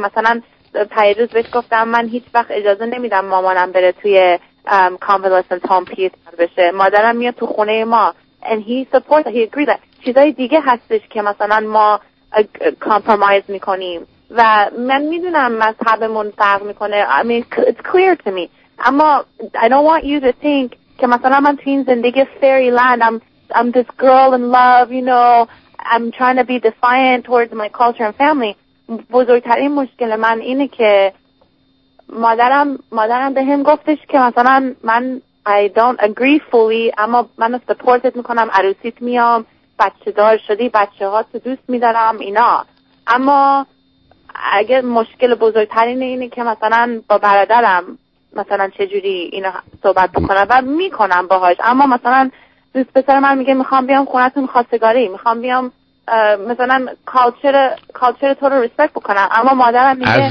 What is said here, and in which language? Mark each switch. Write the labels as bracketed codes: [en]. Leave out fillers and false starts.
[fa] مثلا پیروز بهش گفتم من هیچ وقت اجازه نمیدم مامانم بره توی convalescent home پیتر بشه، مادرم میاد تو خونه ما [en] and he supports that, he agreed that. [fa] چیزای دیگه هستش که مثلا ما compromise میکنیم و من میدونم مذهبمون فرق میکنه. [en] I mean it's clear to me. [fa] اما [en] I don't want you to think [fa] که مثلا من تو این زندگی [en] fairyland I'm this girl in love, you know, I'm trying to be defiant towards my culture and family. [fa] بزرگترین مشکل من اینه که مادرم به هم گفتش که مثلا من [en] I don't agree fully، [fa] اما من سپورتت میکنم، عروسیت میام، بچه دار شدی، بچه ها تو دوست میدارم اینا. اما اگه مشکل بزرگترین اینه که مثلا با برادرم مثلا چجوری اینا صحبت بکنم و میکنم باهاش، اما مثلا دوست پسر من میگه میخوام بیام خونتون خواستگاری، میخوام بیام مثلا کالچر تو رو ریسپکت بکنم، اما مادرم میگه